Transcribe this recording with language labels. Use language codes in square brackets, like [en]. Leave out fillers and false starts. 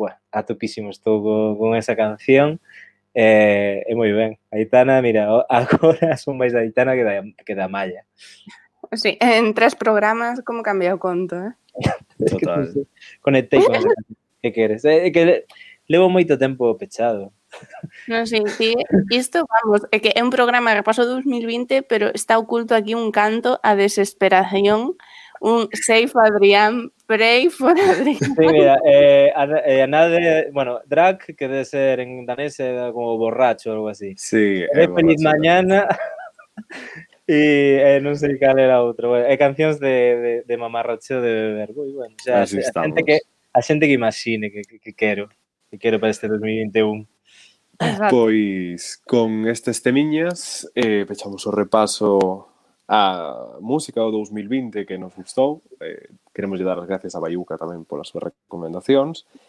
[gl] A topísimo estou con esa canción. É moi ben. Aitana, mira, agora son máis da Aitana que da Maya. Sí, en 3 programas como cambia o conto, Total. Conectei con esa canción. Que queres? Que levo moito tempo pechado. Non, sí, sí. Isto, vamos, é que é un programa de repaso 2020, pero está oculto aquí un canto a desesperación. Un safe Adrián, [en] pray for Adrián. [es] Sí, mira, nada bueno, drag, que debe ser en danés como borracho o algo así. Sí, es feliz mañana. Y no sé cuál era otro. Bueno, hay canciones de mamarracho de beber. Bueno, o sea, así estamos. [gl] A gente que imagine que quero para este 2021. Exacto. Pues con estas temiñas, pechamos o repaso a música do 2020 que nos gustou. Queremos dar as gracias a Bayuca tamén polas súas recomendacións,